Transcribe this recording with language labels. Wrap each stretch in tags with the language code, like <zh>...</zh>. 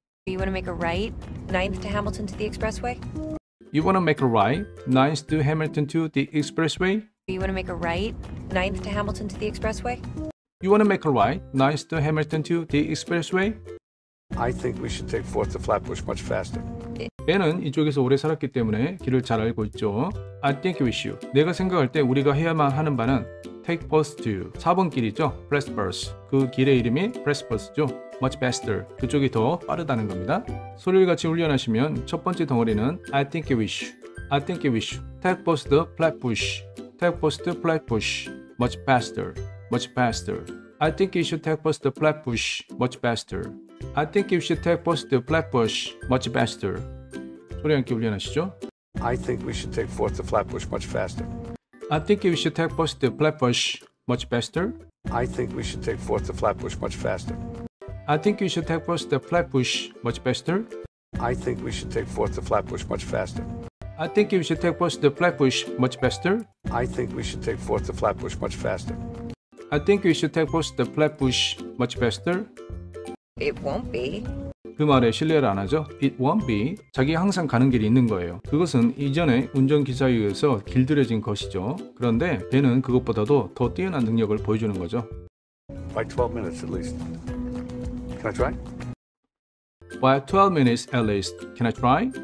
<en>You wanna make a right, 9th to Hamilton to the expressway? You wanna make a right, 9th to Hamilton to the expressway? You wanna make a right, 9th to Hamilton to the expressway? You wanna make a right, 9th to Hamilton to the expressway? I think we should take 4th to Flatbush much faster.</en> <ko>Ben은 이쪽에서 오래 살았기 때문에 길을 잘 알고 있죠.</ko> <en>I think we should.</en> <ko>내가 생각할 때 우리가 해야만 하는 바는</ko> <en>take 4th to</en> <ko>4번 길이죠. Flatbush. 그 길의 이름이 Flatbush죠.</ko> <en>Much faster.</en> <ko>그쪽이 더 빠르다는 겁니다. 소리를 같이 훈련하시면 첫 번째 덩어리는</ko> <en>I think we should. I think we should. Take 4th to Flatbush. Take 4th to Flatbush. Much faster. Much faster. I think you should take 4th to Flatbush. Much faster. I think you should take 4th to Flatbush. Much faster.</en> <ko>소리 함께 훈련하시죠.</ko> <en>I think we should take 4th to Flatbush much faster. I think you should take 4th to Flatbush much faster. I think we should take 4th to Flatbush much faster. I think you should take 4th to Flatbush much faster. I think we should take 4th to Flatbush much faster. I think you should take 4th to Flatbush much faster. I think we should take 4th to Flatbush much faster. I think you should take 4th to Flatbush much faster. It won't be.</en> <ko>그 말에 신뢰를 안 하죠.</ko> <en>It won't be.</en> <ko>자기가 항상 가는 길이 있는 거예요. 그것은 이전에 운전기사에 의해서 길들여진 것이죠. 그런데 벤은 그것보다도 더 뛰어난 능력을 보여주는 거죠.</ko> <en>By 12 minutes at least. Can I try? By 12 minutes at least. Can I try?</en>